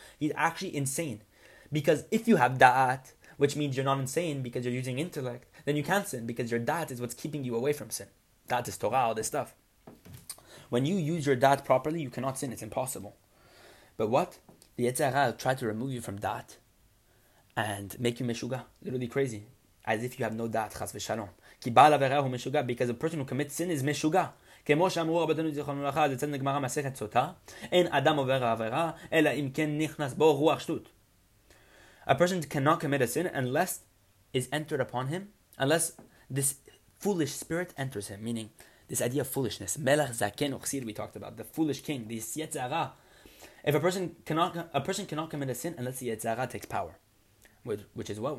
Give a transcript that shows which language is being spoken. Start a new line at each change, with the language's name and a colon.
English: He's actually insane. Because if you have da'at, which means you're not insane because you're using intellect, then you can't sin because your da'at is what's keeping you away from sin. Da'at is Torah, all this stuff. When you use your da'at properly, you cannot sin. It's impossible. But what? The Yetzer Hara tried to remove you from da'at and make you meshuga, literally crazy, as if you have no da'at, chas v'shalom. Ki ba'al averahu meshuga, because a person who commits sin is meshuga.
Hebrew: כמו שאמרו רבותינו זיכרונו לברכה, זה צריך לגמרא מסכת סוטה, אין אדם עובר עבירה, אלא אם כן נכנס בו רוח שטות.
English: A person cannot commit a sin unless is entered upon him, unless this foolish spirit enters him, meaning this idea of foolishness.
Hebrew: מלך זקן וכסיל,
English: we talked about, the foolish king, this יצרה. If a person cannot commit a sin unless the יצרה takes power, which is what?